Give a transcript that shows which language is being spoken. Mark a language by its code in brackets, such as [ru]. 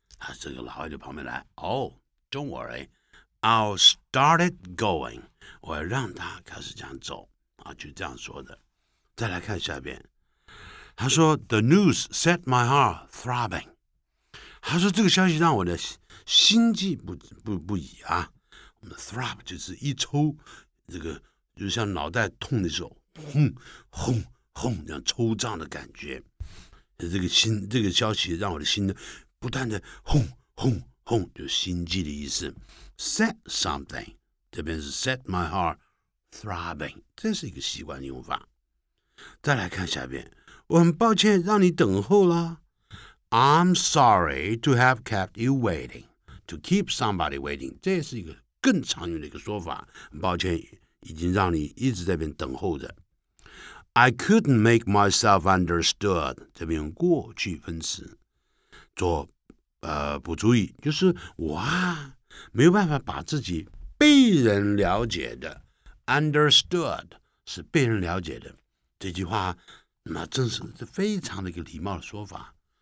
[zh] 啊，这个老外就旁边来 [en] Oh, don't worry. I'll start it going. [zh] 我要让它开始这样走啊，就这样说的。再来看下边，他说 [en] The news set my heart throbbing. [zh] 他说这个消息让我的心悸不已啊，我们 throb 就是一抽，这个就像脑袋痛的时候轰轰轰那样抽胀的感觉，这个消息让我的心不断的轰轰轰，就是心悸的意思。 set something 这边是 [en] set my heart throbbing， [zh] 这是一个习惯用法。再来看下边，我很抱歉让你等候啦。 [en] I'm sorry to have kept you waiting. To keep somebody waiting. [zh] 这是一个更常用的一个说法。抱歉已经让你一直在边等候着。 [en] I couldn't make myself understood. [zh] 这边用过去分词做补足语，就是哇没有办法把自己被人了解的。 Understood 是被人了解的。这句话那真是非常的一个礼貌的说法。